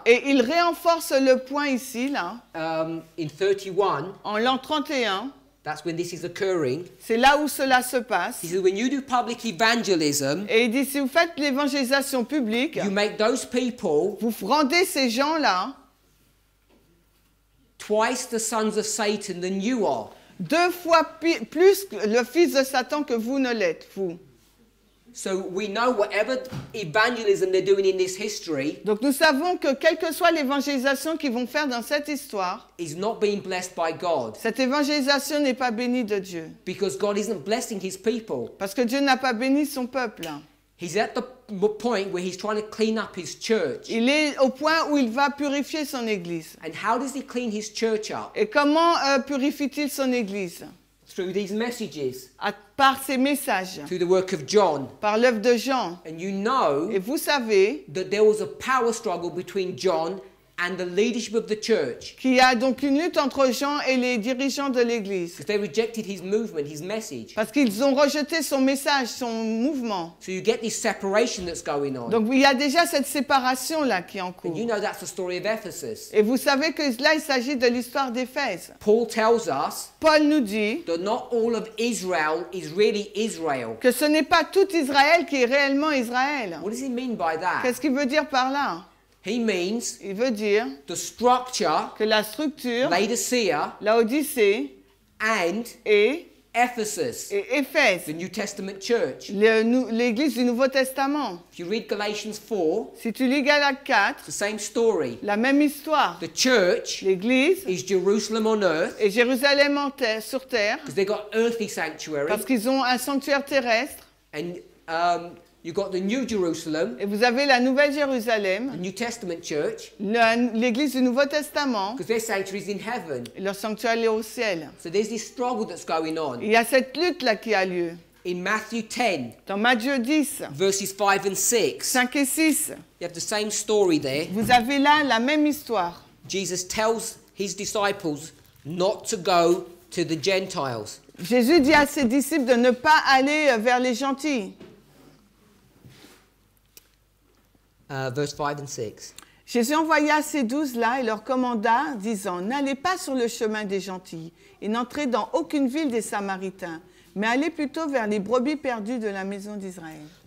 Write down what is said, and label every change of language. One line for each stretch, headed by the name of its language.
French: Et il renforce le point ici là.
English: In 31.
French: En l'an 31.
English: That's when this is occurring.
French: C'est là où cela se passe.
English: He says, when you do public evangelism,
French: et il dit, si vous faites l'évangélisation publique,
English: you make those people,
French: vous rendez ces gens-là
English: twice the sons of Satan than you are.
French: Deux fois plus le fils de Satan que vous ne l'êtes, vous.
English: So we know whatever evangelism they're doing in this history,
French: donc nous savons que quelle que soit l'évangélisation qu'ils vont faire dans cette histoire,
English: is not being blessed by God.
French: Cette évangélisation n'est pas bénie de Dieu.
English: Because God isn't blessing his people.
French: Parce que Dieu n'a pas béni son peuple.
English: He's at the point where he's trying to clean up his church.
French: Il est au point où il va purifier son église.
English: And how does he clean his church up?
French: Et comment purifie-t-il son église?
English: Through these messages,
French: par ces messages,
English: through the work of John,
French: par l'œuvre de Jean,
English: and you know,
French: et vous savez,
English: that there was a power struggle between John and the leadership of the church.
French: Qu'il y a donc une lutte entre Jean et les dirigeants de l'église.
English: Because they rejected his movement, his message.
French: Parce qu'ils ont rejeté son message, son mouvement.
English: So you get this separation that's going on.
French: Donc il y a déjà cette séparation là qui est en cours.
English: And you know that's the story of Ephesus.
French: Et vous savez que là il s'agit de l'histoire d'Éphèse.
English: Paul tells us.
French: Paul nous dit.
English: That not all of Israel is really Israel.
French: Que ce n'est pas tout Israël qui est réellement Israël.
English: What does he mean by that?
French: Qu'est-ce qu'il veut dire par là?
English: He means,
French: il veut dire,
English: the structure,
French: que la structure,
English: Laodicea,
French: Laodicée,
English: and
French: et
English: Ephesus,
French: et Éphèse,
English: the New Testament church.
French: L'église du Nouveau Testament.
English: If you read Galatians 4,
French: si tu lis Galates 4,
English: the same story.
French: La même histoire.
English: The church,
French: l'église,
English: is Jerusalem on earth,
French: et Jérusalem en terre, sur terre,
English: because they got earthly sanctuary,
French: parce qu'ils ont un sanctuaire terrestre,
English: and you got the New Jerusalem.
French: Et vous avez la Nouvelle Jérusalem.
English: The New Testament church.
French: L'église du Nouveau Testament.
English: Because their sanctuary is in heaven.
French: Et leur sanctuaire est au ciel.
English: So there's this struggle that's going on.
French: Il y a cette lutte là qui a lieu.
English: In Matthew 10.
French: Dans Matthieu 10.
English: Verses 5 and 6.
French: 5 et 6.
English: You have the same story there.
French: Vous avez là la même histoire.
English: Jesus tells his disciples not to go to the Gentiles.
French: Jésus dit à ses disciples de ne pas aller vers les gentils.
English: Verse 5 and 6.
French: Jésus envoya ces douze-là et leur commanda, disant, « N'allez pas sur le chemin des gentils et n'entrez dans aucune ville des Samaritains, mais allez plutôt vers les brebis perdues de la maison d'Israël. »